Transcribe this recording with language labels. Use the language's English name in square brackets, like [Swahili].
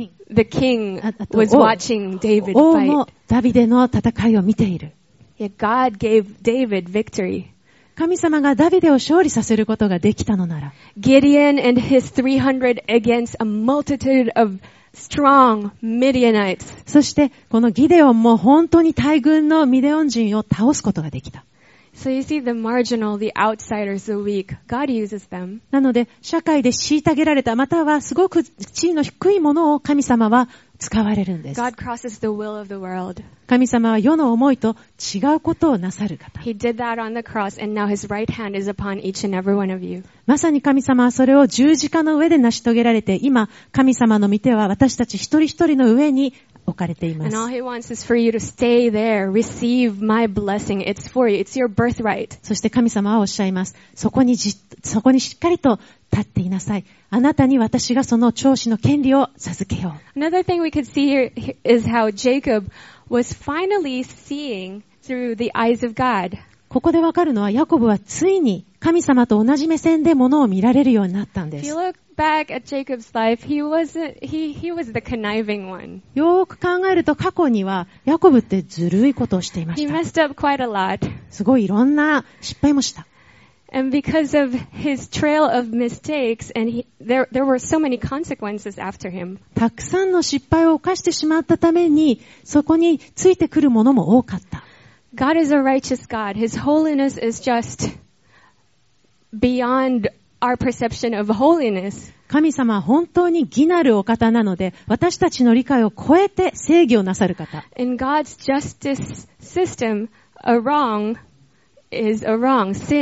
[English] The king was watching David fight. [Japanese] 王もダビデの戦いを見ている。 [English] God gave David victory. [Japanese] 神様がダビデを勝利させることができたのなら、 [English] Gideon and his 300 against a multitude of strong Midianites. [Japanese] そしてこのギデオンも本当に大軍のミデオン人を倒すことができた。 [English] So you see the marginal, the outsiders, the weak. God uses them. [Japanese] なので社会で虐げられたまたはすごく地位の低いものを神様は使われるんです。 [English] God crosses the will of the world. [Japanese] 神様は世の思いと違うことをなさる方。 [English] He did that on the cross, and now His right hand is upon each and every one of you. [Japanese] まさに神様はそれを十字架の上で成し遂げられて、今神様の御手は私たち一人一人の上に置かれています。 [English] And all he wants is for you to stay there, receive my blessing. It's for you. It's your birthright. [Japanese] そして神様はおっしゃいます。そこにしっかりと立っていなさい。あなたに私がその長子の権利を授けよう。 [English] Another thing we could see here is how Jacob was finally seeing through the eyes of God. [Japanese] ここでわかるのはヤコブはついに神様と同じ目線で物を見られるようになったんです。 [English] If you look back at Jacob's life, he was the conniving one. [Japanese] よく考えると過去にはヤコブってずるいことをしていました。 [English] He messed up quite a lot. [Japanese] すごいいろんな失敗もした。 [English] And because of his trail of mistakes, and there were so many consequences after him. [Japanese] たくさんの失敗を犯してしまったためにそこについてくるものも多かった。 [English] God is a righteous God. His holiness is just beyond our perception of holiness. [Japanese] 神様は本当に義なるお方なので、私たちの理解を超えて正義をなさる方。 [English] In God's justice system, a wrong is a wrong.